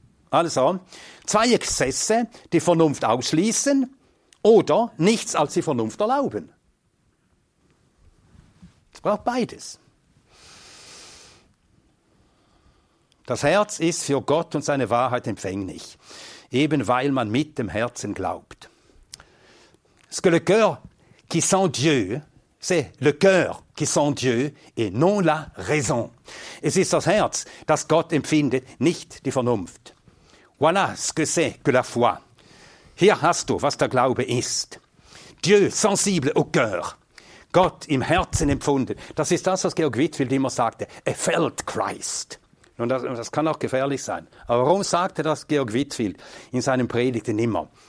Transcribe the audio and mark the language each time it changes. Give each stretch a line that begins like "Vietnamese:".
German: Also, zwei Exzesse, die Vernunft ausschließen oder nichts als die Vernunft erlauben. Es braucht beides. Das Herz ist für Gott und seine Wahrheit empfänglich, eben weil man mit dem Herzen glaubt.
French: Ce que le cœur qui sent Dieu, c'est le cœur qui sent Dieu et non la raison.
German: Es ist das Herz, das Gott empfindet, nicht die Vernunft.
French: Voilà ce que c'est que la foi.
German: Hier hast du, was der Glaube ist.
French: Dieu sensible au cœur.
German: Gott im Herzen empfunden. Das ist das, was Georg Whitfield immer sagte.
English: A felt Christ.
German: Und das kann auch gefährlich sein. Aber warum sagte das Georg Whitfield in seinen Predigten immer?